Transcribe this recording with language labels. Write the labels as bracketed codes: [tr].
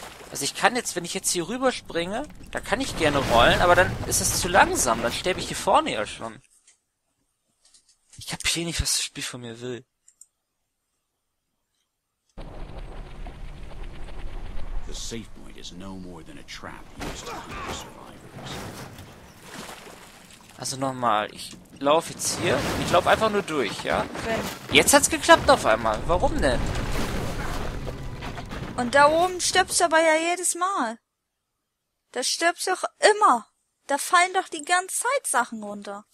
[de] Also ich kann jetzt, wenn ich jetzt hier rüber springe, da kann ich gerne rollen, aber dann ist das zu langsam, dann sterbe ich hier vorne ja schon. Ich hab hier nicht, was das Spiel von mir will. [en] The safe point is no more than a trap used to keep survivors. [de] Also nochmal, ich laufe jetzt hier. Ich laufe einfach nur durch, ja? Okay. Jetzt hat's geklappt auf einmal. Warum denn? Und da oben stirbst du aber ja jedes Mal. Da stirbst du auch immer. Da fallen doch die ganze Zeit Sachen runter.